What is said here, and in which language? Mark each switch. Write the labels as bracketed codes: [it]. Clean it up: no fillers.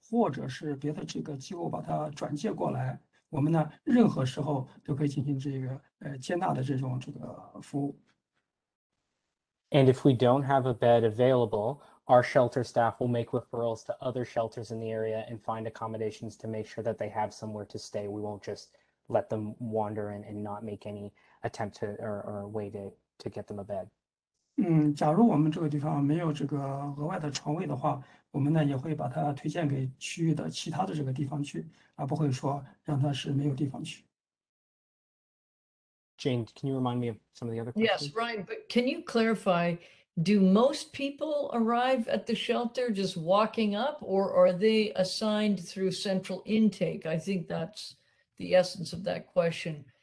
[zh] 那么如果我们有这个位置的话，那么呢，任何人的话就可以自己走过来，或者是别的这个机构把它转介过来。我们呢，任何时候都可以进行这个接纳的这种这个服务。 [en] And if we don't have a bed available, our shelter staff will make referrals to other shelters in the area and find accommodations to make sure that they have somewhere to stay. We won't just let them wander and not make any attempt to or way to get them a bed. [zh] 假如我们这个地方没有这个额外的床位的话，我们呢也会把它推荐给区域的其他的这个地方去，而不会说让它是没有地方去。Jane, [en] can you remind me of some of the other questions? Yes, Ryan, but can you clarify, do most people arrive at the shelter just walking up, or are they assigned through central intake? I think that's the essence of that question.